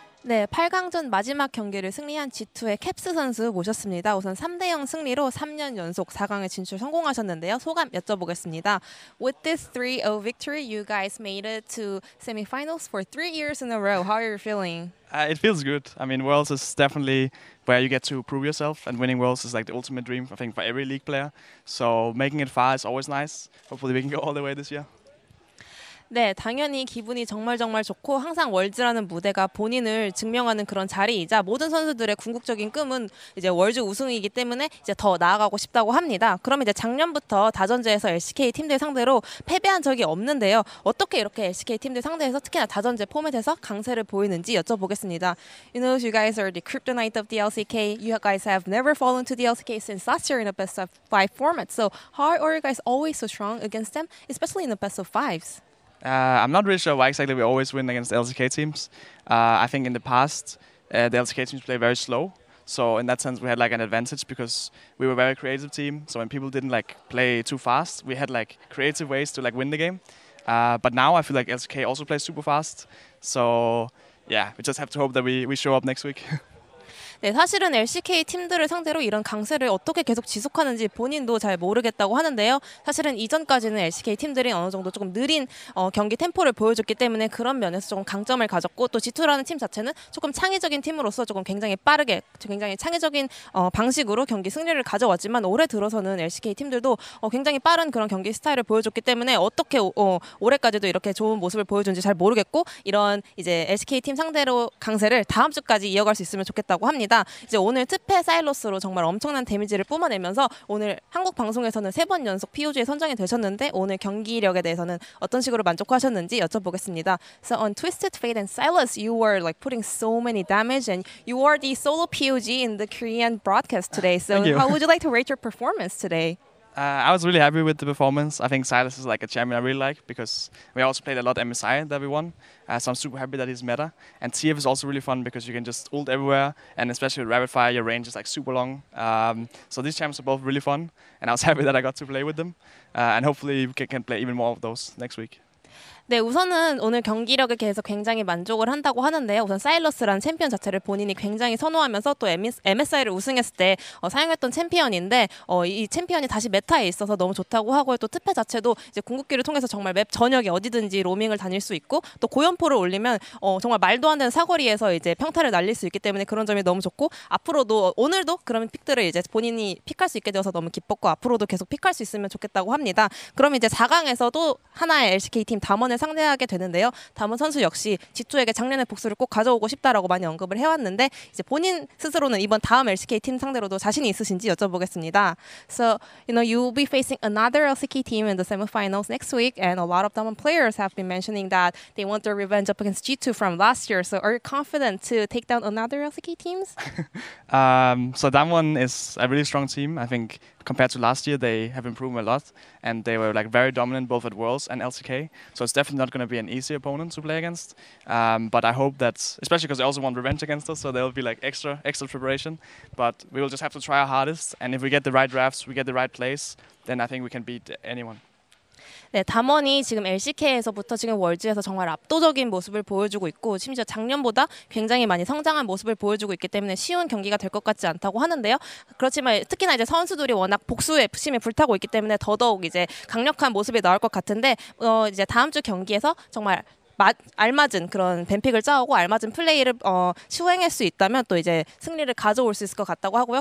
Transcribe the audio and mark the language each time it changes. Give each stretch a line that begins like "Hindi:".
Korean: 네, 8강전 마지막 경기를 승리한 G2의 캡스 선수 모셨습니다. 우선 3대0 승리로 3년 연속 4강에 진출 성공하셨는데요. 소감 여쭤보겠습니다.
English: With this 3-0 victory, you guys made it to semifinals for 3 years in a row. How are you feeling? It feels good. I mean, Worlds is definitely where you get to prove yourself, and winning Worlds is like the ultimate dream, I think, for every league player. So making it far is always nice. Hopefully we can go all the way this year.
Korean: 네, 당연히 기분이 정말 정말 좋고 항상 월즈라는 무대가 본인을 증명하는 그런 자리이자 모든 선수들의 궁극적인 꿈은 이제 월즈 우승이기 때문에 이제 더 나아가고 싶다고 합니다. 그럼 이제 작년부터 다전제에서 LCK 팀들 상대로 패배한 적이 없는데요. 어떻게 이렇게 LCK 팀들 상대에서 특히나 다전제 포맷에서 강세를 보이는지 여쭤보겠습니다.
English: You know, you guys are the kryptonite of the LCK. You guys have never fallen to the LCK since last year in a best of five format. So how are you guys always so strong against them, especially in the best of fives? I'm not really sure why exactly we always win against the LCK teams. I think in the past, the LCK teams played very slow. So in that sense, we had like an advantage because we were a very creative team. So when people didn't like play too fast, we had like creative ways to like win the game. But now I feel like LCK also plays super fast. So yeah, we just have to hope that we show up next week.
Korean: 네, 사실은 LCK 팀들을 상대로 이런 강세를 어떻게 계속 지속하는지 본인도 잘 모르겠다고 하는데요. 사실은 이전까지는 LCK 팀들이 어느 정도 조금 느린 경기 템포를 보여줬기 때문에 그런 면에서 조금 강점을 가졌고 또 G2라는 팀 자체는 조금 창의적인 팀으로서 조금 굉장히 빠르게 굉장히 창의적인 방식으로 경기 승리를 가져왔지만 올해 들어서는 LCK 팀들도 굉장히 빠른 그런 경기 스타일을 보여줬기 때문에 어떻게 올해까지도 이렇게 좋은 모습을 보여준지 잘 모르겠고 이런 이제 LCK 팀 상대로 강세를 다음 주까지 이어갈 수 있으면 좋겠다고 합니다. 이제 오늘 특패 사일러스로 정말 엄청난 데미지를 뿜어내면서 오늘 한국 방송에서는 세 번 연속 POG에 선정이 되셨는데 오늘 경기력에 대해서는 어떤 식으로 만족하셨는지 여쭤보겠습니다.
English: So on Twisted Fate and Silas, you were like putting so many damage and you are the solo POG in the Korean broadcast today. So how would you like to rate your performance today? I was really happy with the performance. I think Silas is like a champion I really like because we also played a lot of MSI that we won. So I'm super happy that he's meta. And TF is also really fun because you can just ult everywhere. And especially with Rapid Fire, your range is like super long. So these champs are both really fun. And I was happy that I got to play with them. And hopefully we can play even more of those next week.
Korean: 네, 우선은 오늘 경기력에 대해서 굉장히 만족을 한다고 하는데요. 우선 사일러스라는 챔피언 자체를 본인이 굉장히 선호하면서 또 MSI를 우승했을 때 사용했던 챔피언인데 이 챔피언이 다시 메타에 있어서 너무 좋다고 하고 또 특패 자체도 이제 궁극기를 통해서 정말 맵 전역에 어디든지 로밍을 다닐 수 있고 또 고연포를 올리면 정말 말도 안 되는 사거리에서 이제 평타를 날릴 수 있기 때문에 그런 점이 너무 좋고 앞으로도 오늘도 그런 픽들을 이제 본인이 픽할 수 있게 되어서 너무 기뻤고 앞으로도 계속 픽할 수 있으면 좋겠다고 합니다. 그럼 이제 4강에서도 하나의 LCK 팀 담원의 상대하게 되는데요. 담원 선수 역시 G2에게 작년의 복수를 꼭 가져오고 싶다라고 많이 언급을 해왔는데 이제 본인 스스로는 이번 다음 LCK 팀 상대로도 자신이 있으신지 여쭤보겠습니다.
English: So, you know, you'll be facing another LCK team in the semifinals next week and a lot of Damwon players have been mentioning that they want their revenge up against G2 from last year. So, are you confident to take down another LCK teams? So, Damwon is a really strong team. I think compared to last year, they have improved a lot and they were like very dominant both at Worlds and LCK. So it's definitely not going to be an easy opponent to play against. But I hope that, especially because they also want revenge against us, so there'll be like extra preparation. But we will just have to try our hardest. And if we get the right drafts, we get the right plays, then I think we can beat anyone.
Korean: 네, 담원이 지금 LCK에서부터 지금 월즈에서 정말 압도적인 모습을 보여주고 있고 심지어 작년보다 굉장히 많이 성장한 모습을 보여주고 있기 때문에 쉬운 경기가 될 것 같지 않다고 하는데요. 그렇지만 특히나 이제 선수들이 워낙 복수의 심에 불타고 있기 때문에 더더욱 이제 강력한 모습이 나올 것 같은데 이제 다음 주 경기에서 정말 알맞은 그런 뱀픽을 짜오고 알맞은 플레이를 수행할 수 있다면 또 이제 승리를 가져올 수 있을 것 같다고 하고요.